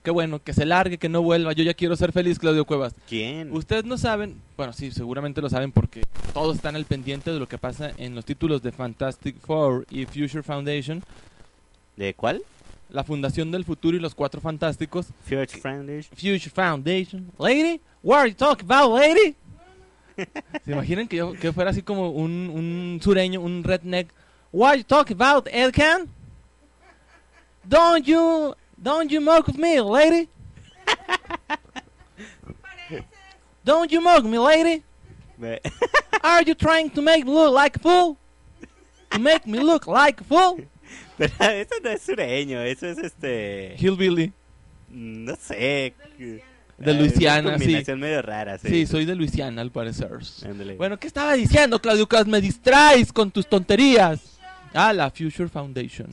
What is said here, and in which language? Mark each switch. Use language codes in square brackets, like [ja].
[es] Qué bueno, que se largue, que no vuelva. Yo ya quiero ser feliz, Claudio Cuevas. ¿Quién? Ustedes no saben, bueno, sí, seguramente lo saben porque todos están al pendiente de lo que pasa en los títulos de Fantastic Four y Future Foundation. ¿De cuál? La Fundación del Futuro y los Cuatro Fantásticos. Future Foundation. Future Foundation. [en] Lady, what are you talking about, lady? [es] ¿Se imaginan que yo que fuera así como un sureño, un redneck? [en] What are you talking about, Edcan? Don't you mock with me, lady? Don't you mock me, lady? Are you trying to make me look like a fool? To make me look like a fool? [es] Pero eso no es sureño, eso es [en] Hillbilly. [es] No sé. De Luisiana, sí. Medio rara, sí. Sí, soy de Luisiana, al parecer. Andale. Bueno, ¿qué estaba diciendo, Claudio Cuevas? ¡Me distraes con tus tonterías! Ah, la Future Foundation.